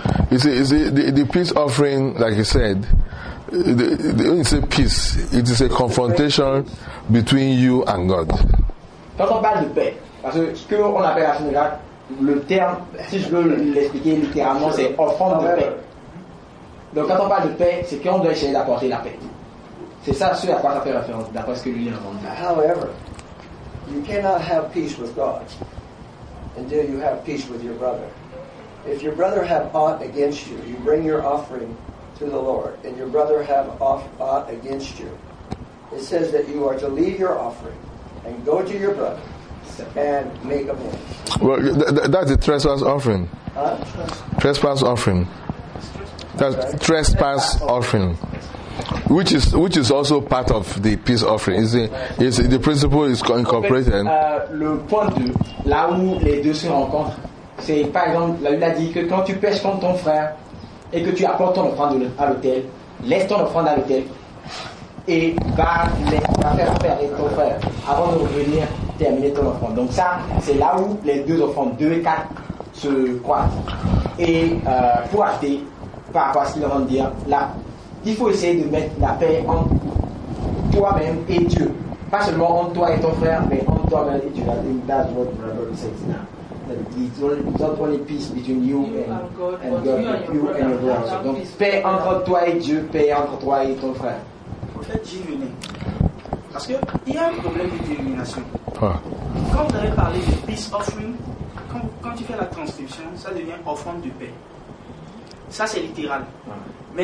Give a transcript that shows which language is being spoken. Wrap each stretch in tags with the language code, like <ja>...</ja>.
<en>You see, the peace offering, like you said, when you say peace, it is a confrontation between you and God.</en> <fr>Quand on parle de paix, parce que ce qu'on appelle la chine de le terme, si je veux l'expliquer littéralement, c'est offrande de paix. Donc quand on parle de paix, c'est qu'on doit essayer d'apporter la paix. C'est ça ce à quoi ça fait référence, d'après ce que lui dit le monde.</fr> <en>However, you cannot have peace with God until you have peace with your brother. If your brother have aught against you, you bring your offering to the Lord, and your brother have aught against you. It says that you are to leave your offering and go to your brother and make amends. Well, that's the trespass offering. Trespass offering. That's okay. Trespass offering, which is also part of the peace offering. Is the principle is incorporated?</en> <fr>En fait, le point de là où les deux se rencontrent, c'est par exemple la Bible a dit que quand tu pèches contre ton frère et que tu apportes ton offrande à l'autel, laisse ton offrande à l'autel et va faire affaire avec ton frère avant de revenir terminer ton offrande. Donc ça, c'est là où les deux offrandes 2 et 4 se croisent. Et pour acheter par rapport à ce qu'il vient de dire là, il faut essayer de mettre la paix entre toi-même et Dieu, pas seulement entre toi et ton frère, mais entre toi-même et Dieu.</fr> <en>That's what brother says now. It's not only peace between you and God.</en> <fr>Donc paix entre toi et Dieu, paix entre toi et ton frère. En fait, j'y venais parce qu'il y a un problème de dénomination. Quand vous avez parlé de peace offering, quand tu fais la transcription, ça devient offrande de paix. Ça, c'est littéral. Ouais.</fr>